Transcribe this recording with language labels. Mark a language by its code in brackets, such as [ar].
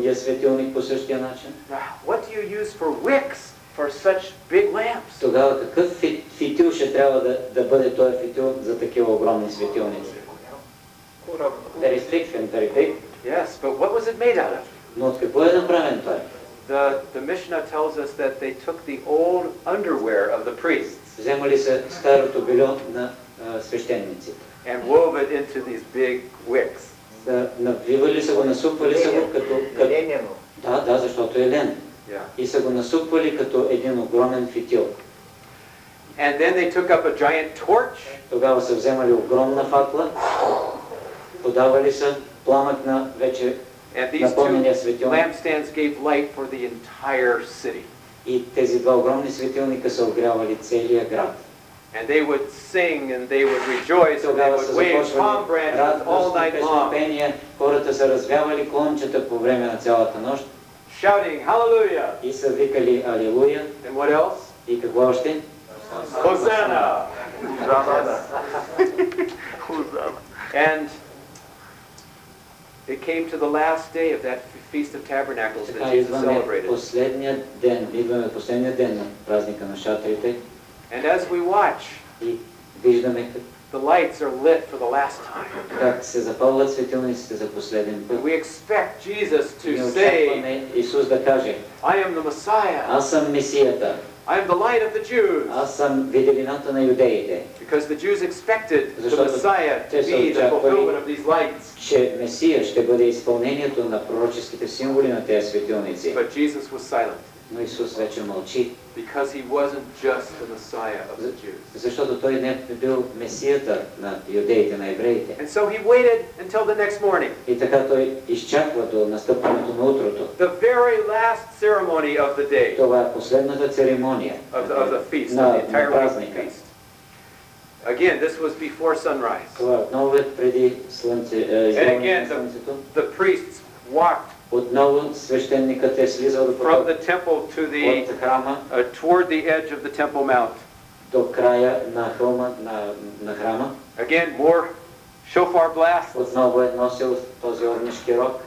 [en] What do you use for wicks for such big lamps? [bg] Тогава какъв фитил ще трябва да бъде този фитил за такива огромни светилници? [en] Very thick and very big. Yes, but what was it made out of? [bg] Но от какво е направен това? [en] The Mishnah tells us that they took the old underwear of the priests. [bg] Вземали са старото бельо на свещениците. [en] And wove it into these big wicks. [bg] Да, навивали са го, насупвали са го като ленено. Да, защото е лен. [en] Yeah. [bg] И са го насупвали като един огромен фитил. [en] And then they took up a giant torch. [bg] Тогава са вземали огромна факла. Подавали са пламък на вече. [en] And these two lampstands gave light for the entire city. [bg] И тези два огромни светилника са огрявали целия град. [en] And they would sing and they would rejoice and they would wave palm branches all night long. [bg] Хората са развявали клончета по време на цялата нощ. [en] Shouting hallelujah. [bg] И са викали алелуя. [en] And what else? [bg] И какво още? [en] Hosanna. [bg] Hosanna. [en] And it came to the last day of that Feast of Tabernacles that Jesus celebrated. [bg] Последният ден, идваме последния ден на празника на шатрите. [en] And as we watch, [bg] виждаме, [en] the lights are lit for the last time. [bg] Как се запалват светилниците за последен път. [en] We expect Jesus to say, [bg] Исус да каже, [en] I am the Messiah. [bg] Аз съм Месията. [en] I am the light of the Jews. [bg] Аз съм виделината на юдеите. [en] Because the Jews expected the Messiah to be the fulfillment of these lights. [bg] Че Месия ще бъде изпълнението на пророческите символи на тези светилници. [en] But Jesus was silent. [bg] Но Исус вече мълчи. [en] Because he wasn't just the Messiah of the Jews. [bg] Защото той не е бил Месията на юдеите, на евреите. [en] And so he waited until the next morning. [bg] И така той изчаква до настъпването на утрото. [en] The very last ceremony of the day. [bg] Това е последната церемония. [en] Of the feast, of the entire week of feast. Again, this was before sunrise. [bg] Отново преди слънце. [en] And again, the priests walked. [bg] Отново свещеникът е слизал [en] from the temple to the [bg] храма, [en] toward the edge of the Temple Mount. [bg] До края на хълма на храма. [en] Again, more shofar blasts. [bg] Отново е носил този огнишки рок.